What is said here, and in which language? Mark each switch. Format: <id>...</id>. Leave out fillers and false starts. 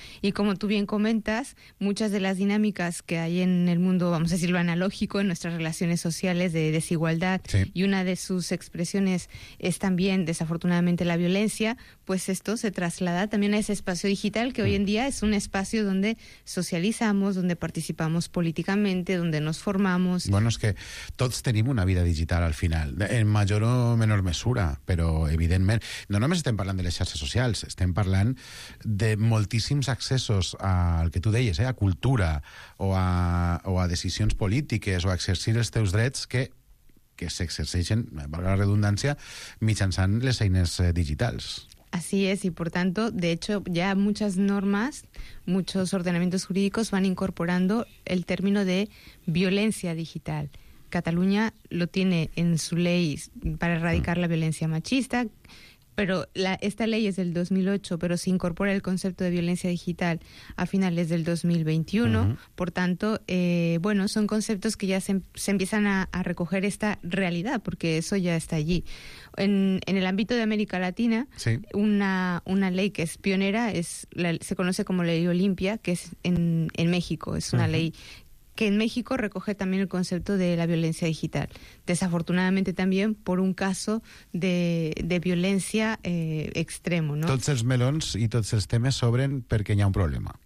<es>Y como tú bien comentas, muchas de las dinámicas que hay en el mundo, vamos a decirlo analógico, en nuestras relaciones sociales de desigualdad, y una de sus expresiones es también, desafortunadamente, la violencia, pues esto se traslada también a ese espacio digital que hoy en día es un espacio donde socializamos, donde participamos políticamente, donde nos formamos. Bueno, es que todos tenemos una vida digital al final, en mayor o menor mesura, pero evidentemente,</es> <ca>no només estem parlant de xarxes socials, estem parlant de moltíssims accessos al que tu deies, a cultura o a decisions polítiques o a exercir els teus drets que s'exerceixen, valga la redundància, mitjançant les eines digitals.</ca> <es>Así es, y por tanto, de hecho, ya muchas normas, muchos ordenamientos jurídicos van incorporando el término de violencia digital. Cataluña lo tiene en su ley para erradicar la violencia machista, pero esta ley es del 2008, pero se incorpora el concepto de violencia digital a finales del 2021. Uh-huh. Por tanto, bueno, son conceptos que ya se empiezan a recoger esta realidad, porque eso ya está allí. En el ámbito de América Latina, sí, una ley que es pionera se conoce como Ley Olimpia, que es en México. Es una, uh-huh, ley que en México recoge también el concepto de la violencia digital. Desafortunadamente también por un caso de violencia extremo, ¿no?</es> <ca>Tots els melons i tots els temes s'obren perquè hi ha un problema.</ca>